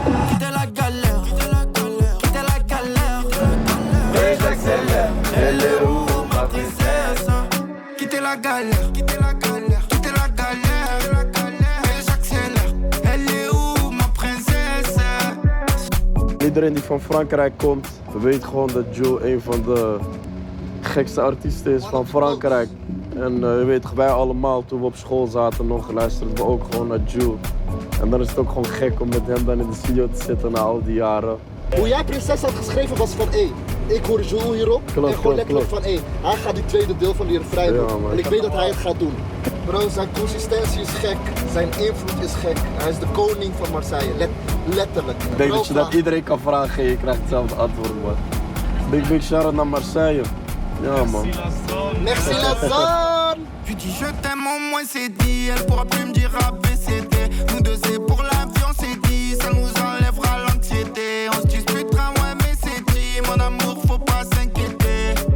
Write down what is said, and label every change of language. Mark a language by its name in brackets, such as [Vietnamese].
[French] Quitter la galère, quitter la galère, quitter la galère. Et j'accélère, elle est où ma princesse? Quitter la galère, quitter la galère, quitter la galère. Quitter la galère. Et j'accélère, elle est où ma princesse? [Dutch] Iedereen die van Frankrijk komt, weet gewoon dat Joe een van de gekste artiest is van Frankrijk. En je weet toch, wij allemaal, toen we op school zaten nog, luisterden we ook gewoon naar Jewel. En dan is het ook gewoon gek om met hem dan in de studio te zitten na al die jaren. Hoe jij Prinses had geschreven was van E. Ik hoor Jewel hierop. Klopt, en gewoon letterlijk van E. Hij gaat die tweede deel van die refrein doen. Ja, en ik weet dat hij het gaat doen. Bro, zijn consistentie is gek. Zijn invloed is gek. Hij is de koning van Marseille. Letterlijk. Ik denk dat je dat iedereen kan vragen en je krijgt hetzelfde antwoord, man. Big shout-out naar Marseille. Ja, man. [French] Merci la zone. Tu dis je t'aime au moins c'est dit. Elle pourra plus me dire après c'était. Nous deux c'est pour la vie, on s'est dit. Ça nous enlèvera l'anxiété. On se disputera, ouais, mais c'est dit. Mon amour, faut pas s'inquiéter.